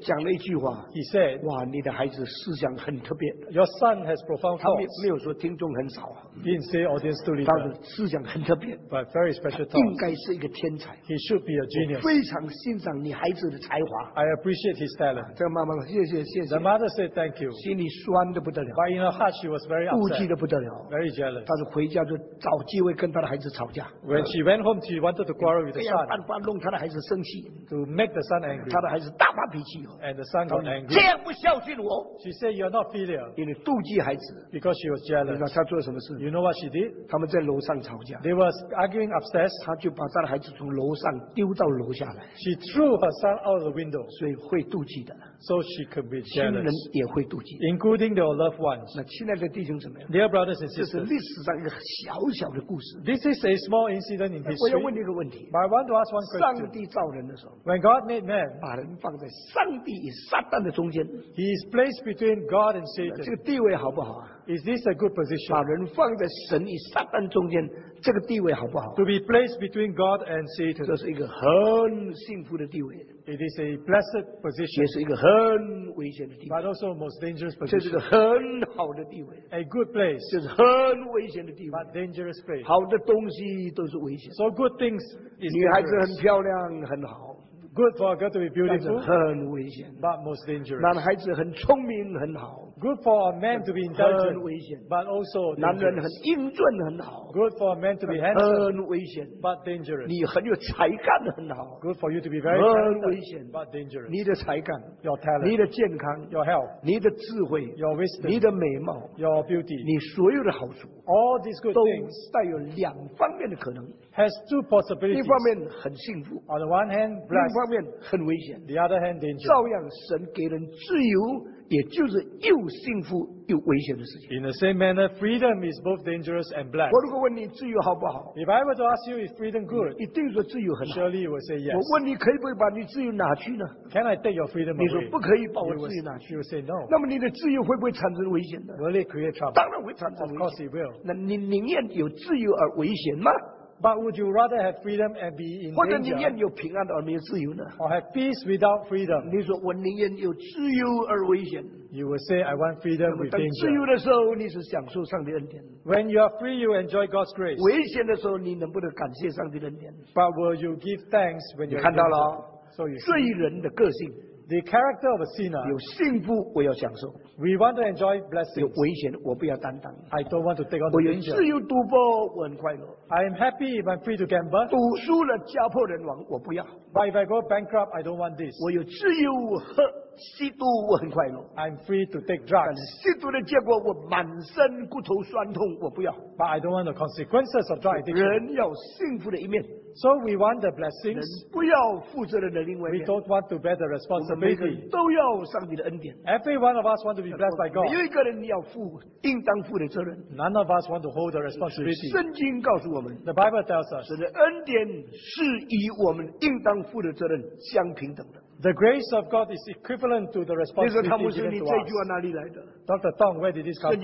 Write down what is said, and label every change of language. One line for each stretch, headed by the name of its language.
Chinese: 讲了一句话
English: ，He said,
Chinese: 哇，你的孩子思想很特别。
English: Your son has profound thoughts.
Chinese: 他没有说听众很少。
English: He didn't say audience too little.
Chinese: 他思想很特别。
English: But very special thoughts.
Chinese: 应该是一个天才。
English: He should be a genius.
Chinese: 非常欣赏你孩子的才华。
English: I appreciate his talent.
Chinese: 这个妈妈说谢谢谢谢。
English: The mother said thank you.
Chinese: 心里酸得不得了。
English: But in her heart she was very upset.
Chinese: 妒忌得不得了。
English: Very jealous.
Chinese: 但是回家就找机会跟她的孩子吵架。
English: When she went home, she wanted to quarrel with the son.
Chinese: 非要办法弄她的孩子生气。
English: To make the son angry.
Chinese: 她的孩子大发脾气。
English: And the son got angry.
Chinese: 这样不孝顺我。
English: She said you're not filial.
Chinese: 因为妒忌孩子。
English: Because she was jealous.
Chinese: 你知道她做什么事？
English: You know what she did?
Chinese: 他们在楼上吵架。
English: They were arguing upstairs.
Chinese: 他就把他的孩子从楼上丢到楼下来。
English: She threw her son out of the window.
Chinese: 所以会妒忌的。
English: So she could be jealous.
Chinese: 亲人也会妒忌。
English: Including their loved ones.
Chinese: 那亲爱的弟兄怎么样
English: ？Dear brothers and sisters.
Chinese: 这是历史上一个小小的故事。
English: This is a small incident in history.
Chinese: 我要问你一个问题。
English: But I want to ask one question.
Chinese: 上帝造人的时候
English: ，When God made man,
Chinese: 把人放在上帝与撒旦的中间
English: ，He is placed between God and Satan.
Chinese: 这个地位好不好啊？
English: Is this a good position?
Chinese: 把人放在神与撒旦中间，这个地位好不好
English: ？To be placed between God and Satan,
Chinese: 这是一个很幸福的地位。
English: It is a blessed position.
Chinese: 也是一个很危险的地位。
English: But also a most dangerous position.
Chinese: 这是一个很好的地位。
English: A good place.
Chinese: 就是很危险的地位。
English: But dangerous place.
Chinese: 好的东西都是危险。
English: So good things is dangerous.
Chinese: 女孩子很漂亮，很好。
English: Good for a girl to be beautiful,
Chinese: 很危险
English: but most dangerous.
Chinese: 男孩子很聪明很好
English: Good for a man to be intelligent,
Chinese: 很危险
English: but also
Chinese: 男人很英俊很好
English: Good for a man to be handsome,
Chinese: 很危险
English: but dangerous.
Chinese: 你很有才干很好
English: Good for you to be very talented,
Chinese: 很危险
English: but dangerous.
Chinese: 你的才干
English: your talent,
Chinese: 你的健康
English: your health,
Chinese: 你的智慧
English: your wisdom,
Chinese: 你的美貌
English: your beauty,
Chinese: 你所有的好处
English: all these good things
Chinese: 都带有两方面的可能
English: has two possibilities.
Chinese: 一方面很幸福
English: on the one hand, blessed.
Chinese: 很危险
English: The other hand, danger.
Chinese: 照样神给人自由也就是又幸福又危险的事情
English: In the same manner, freedom is both dangerous and black.
Chinese: 我如果问你自由好不好
English: If I were to ask you, is freedom good?
Chinese: 一定说自由很好
English: Surely you would say yes.
Chinese: 我问你可以不可以把你自由拿去呢
English: Can I take your freedom away?
Chinese: 你说不可以把我自由拿去
English: You would say no.
Chinese: 那么你的自由会不会产生危险呢
English: Will it create trouble?
Chinese: 当然会产生危险
English: Of course it will.
Chinese: 那你宁愿有自由而危险吗
English: But would you rather have freedom and be in danger?
Chinese: 或者宁愿有平安而没有自由呢
English: ？Or have peace without freedom?
Chinese: 你说我宁愿有自由而危险。
English: You will say I want freedom with danger.
Chinese: 自由的时候，你是享受上帝恩典。
English: When you are free, you enjoy God's grace.
Chinese: 危险的时候，你能不能感谢上帝恩典
English: ？But will you give thanks when you
Chinese: 看到了？
English: So you
Chinese: 罪人的个性。
English: The character of a sinner.
Chinese: 有幸福，我要享受。
English: We want to enjoy blessings.
Chinese: 有危险，我不要担当。
English: I don't want to take on the danger.
Chinese: 我有自由赌博，我很快乐。
English: I am happy if I'm free to gamble.
Chinese: 赌输了，家破人亡，我不要。
English: But if I go bankrupt, I don't want this.
Chinese: 我有自由喝吸毒，我很快乐。
English: I'm free to take drugs.
Chinese: 但吸毒的结果，我满身骨头酸痛，我不要。
English: But I don't want the consequences of drug addiction.
Chinese: 人要幸福的一面。
English: So we want the blessings.
Chinese: 不要负责任的另外一面。
English: We don't want to bear the responsibility.
Chinese: 都要上帝的恩典。
English: Every one of us want to be blessed by God.
Chinese: 没有一个人要负应当负的责任。
English: None of us want to hold the responsibility.
Chinese: 圣经告诉我们。
English: The Bible tells us.
Chinese: 神的恩典是与我们应当负的责任相平等的。
English: The grace of God is equivalent to the responsibility given to us.
Chinese: 你这句话哪里来的
English: ？Dr. Tong, where did this come from?